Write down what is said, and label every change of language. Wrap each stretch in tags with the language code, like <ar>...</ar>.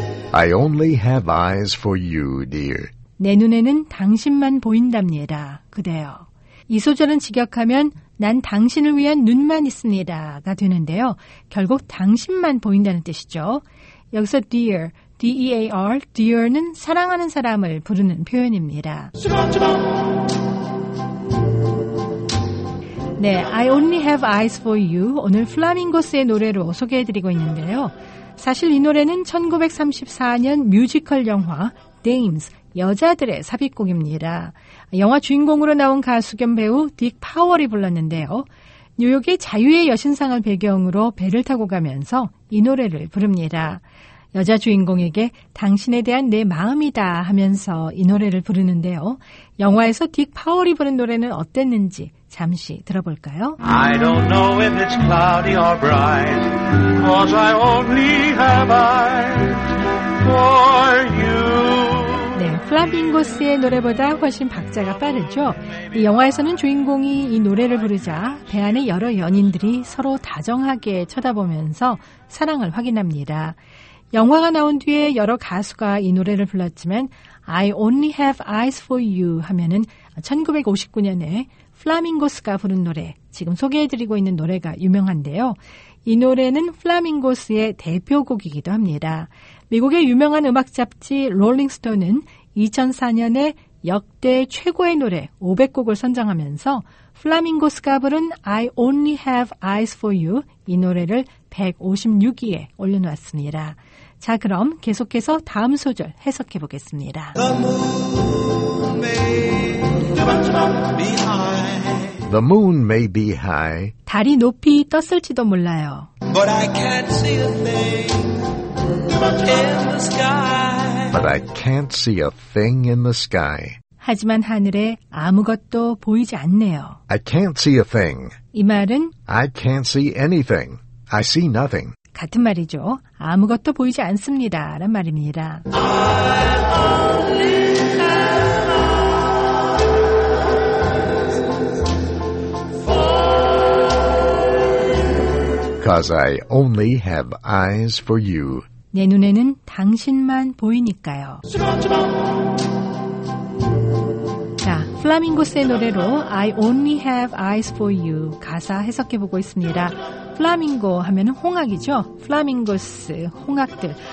<en>I only have eyes for you, dear.</en> <ko>내 눈에는 당신만 보인답니다, 그대여. 이 소절은 직역하면 난 당신을 위한 눈만 있습니다가 되는데요. 결국 당신만 보인다는 뜻이죠. 여기서 dear, D-E-A-R, dear는 사랑하는 사람을 부르는 표현입니다.</ko> <en>네, I only have eyes for you.</en> <ko>오늘 플라밍고스의 노래로 소개해드리고 있는데요. 사실 이 노래는 1934년 뮤지컬 영화 Dames, 여자들의 삽입곡입니다. 영화 주인공으로 나온 가수 겸 배우 딕 파월이 불렀는데요. 뉴욕의 자유의 여신상을 배경으로 배를 타고 가면서 이 노래를 부릅니다. 여자 주인공에게 당신에 대한 내 마음이다 하면서 이 노래를 부르는데요. 영화에서 딕 파월이 부른 노래는 어땠는지 잠시 들어볼까요?</ko> <en>I don't know if it's cloudy or bright, cause I only have eyes for you.</en> <ko>플라밍고스의 노래보다 훨씬 박자가 빠르죠. 이 영화에서는 주인공이 이 노래를 부르자 배 안에 여러 연인들이 서로 다정하게 쳐다보면서 사랑을 확인합니다. 영화가 나온 뒤에 여러 가수가 이 노래를 불렀지만</ko> <en>I only have eyes for you</en> <ko>하면은 1959년에 플라밍고스가 부른 노래, 지금 소개해드리고 있는 노래가 유명한데요. 이 노래는 플라밍고스의 대표곡이기도 합니다. 미국의 유명한 음악 잡지 롤링스톤은 2004년에 역대 최고의 노래 500곡을 선정하면서 플라밍고스가 부른</ko> <en>I only have eyes for you</en> <ko>이 노래를 156위에 올려놓았습니다. 자, 그럼 계속해서 다음 소절 해석해 보겠습니다.</ko> <en>The moon may be high. The moon may be high.</en> <ko>달이 높이 떴을지도 몰라요.</ko> <en>But I can't see a thing in the sky. But I can't see a thing in the sky.</en> <ko>하지만 하늘에 아무것도 보이지 않네요.</ko> <en>I can't see a thing.</en> <ko>이 말은</ko> <en>I can't see anything. I see nothing.</en> <ko>같은 말이죠. 아무것도 보이지 않습니다. 라는 말입니다.</ko> <en>I only have eyes for you. Cause I only have eyes for you.</en> <ko>내 눈에는 당신만 보이니까요. 자, 플라밍고스의 노래로</ko> <en>I only have eyes for you</en> <ko>가사 해석해보고 있습니다. 플라밍고 하면 홍학이죠. 플라밍고스, 홍학들.</ko>